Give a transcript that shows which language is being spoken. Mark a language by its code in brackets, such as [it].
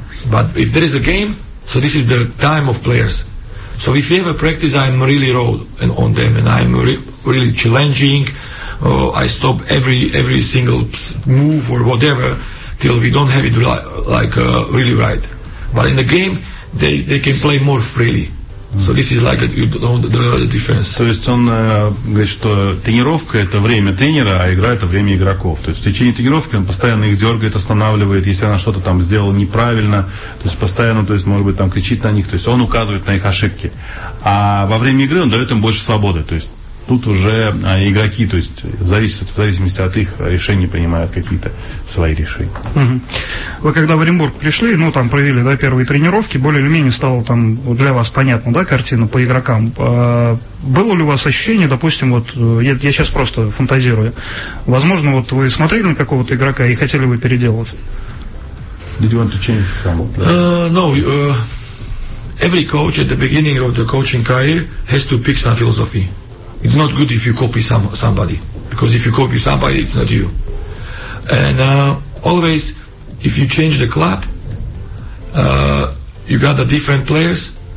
[en] But if there is a game, so this is the time of players. So if you have a practice, I'm really raw and on them, and I'm really challenging. I stop every single move or whatever till we don't have it really right. But in the game, they can play more freely. So this is the difference. [ru] То есть он говорит, что тренировка это время тренера, а игра это время игроков. То есть в течение тренировки он постоянно их дергает, останавливает, если она что-то там сделала неправильно, то есть постоянно, то есть может быть там кричит на них, то есть он указывает на их ошибки. А во время игры он дает им больше свободы, то есть тут уже игроки, то есть в зависимости от их решений принимают какие-то свои решения. Вы когда в Оренбург пришли, там провели первые тренировки, более или менее стала там для вас понятна, картина по игрокам. Было ли у вас ощущение, допустим, я сейчас просто фантазирую, возможно, вы смотрели на какого-то игрока и хотели бы переделать? [en] Did you want to change someone? Every coach at the beginning of the coaching career has to pick some philosophy. It's not good if you copy somebody, because if you copy somebody, it's not you. And always, if you change the club, you got the different players.